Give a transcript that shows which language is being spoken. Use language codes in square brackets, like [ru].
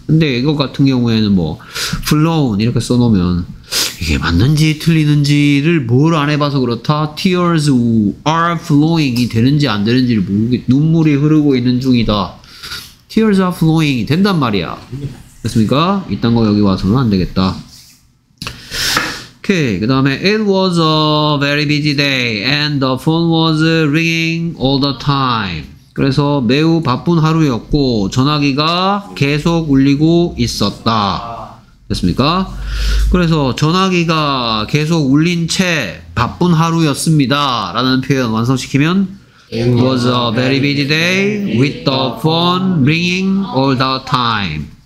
[ko] 근데 이거 같은 경우에는 뭐 flown 이렇게 써놓으면 이게 맞는지 틀리는지를 뭘 안 해봐서 그렇다. [en] tears are flowing [ko] 이 되는지 안 되는지를 모르겠. 눈물이 흐르고 있는 중이다. [en] tears are flowing [ko] 이 된단 말이야. 됐습니까? 이딴 거 여기 와서는 안 되겠다. 오케이. 그 다음에 [en] It was a very busy day and the phone was ringing all the time. [ko] 그래서 매우 바쁜 하루였고 전화기가 계속 울리고 있었다. 됐습니까? 그래서 전화기가 계속 울린 채 바쁜 하루였습니다 라는 표현 완성시키면 [en] It was a very busy day with the phone ringing all the time.